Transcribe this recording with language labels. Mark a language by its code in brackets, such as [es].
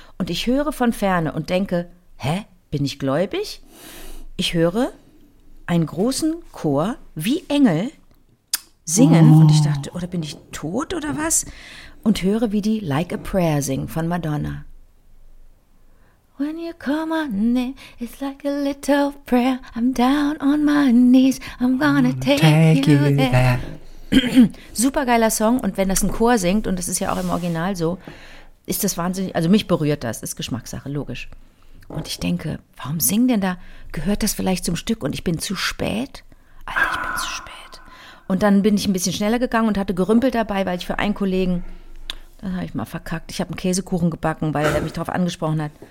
[de] Und ich höre von ferne und denke, hä, bin ich gläubig? Ich höre einen großen Chor wie Engel singen und ich dachte, oder bin ich tot oder was? Und höre, wie die Like a Prayer singen von Madonna. [en] When you come on in, it's like a little prayer. I'm down on my knees. I'm gonna take you there. [de] super geiler Song. Und wenn das ein Chor singt, und das ist ja auch im Original so, ist das wahnsinnig, also mich berührt das, ist Geschmackssache, logisch. Und ich denke, warum singen denn da, gehört das vielleicht zum Stück und ich bin zu spät? Alter, ich bin zu spät. Und dann bin ich ein bisschen schneller gegangen und hatte gerümpelt dabei, weil ich für einen Kollegen, das habe ich mal verkackt, ich habe einen Käsekuchen gebacken, weil er mich darauf angesprochen hat.